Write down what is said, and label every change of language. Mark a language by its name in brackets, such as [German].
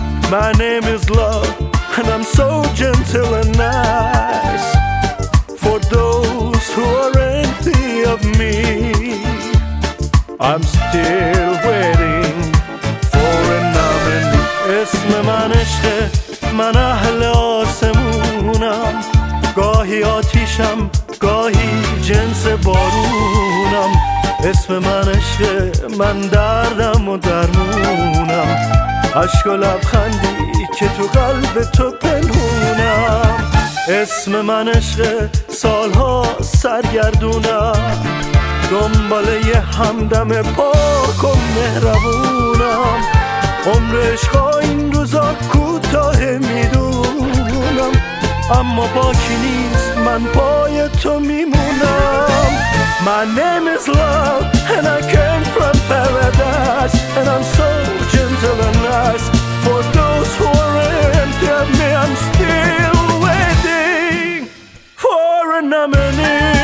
[English] My name is love, and I'm so gentle and nice. For those who are empty of me, I'm still waiting for a nominee. [Persian] اسم من اشته، من اهل آسمونم. گاهی آتیشم، گاهی جنس بارونم. اسم من اشته، من دردم و درمونم. عشق و لبخندی که تو قلب تو پنهونم. اسم من عشق، سالها سرگردونم. دنباله یه همدم پاک و مهربونم. عمر عشقا این روزا کوتاه میدونم، اما باکی نیست، من پای تو میمونم. [English] My name is love and I came from paradise and I'm so gentle and nice. For those who are empty of me, I'm still waiting for a nominee.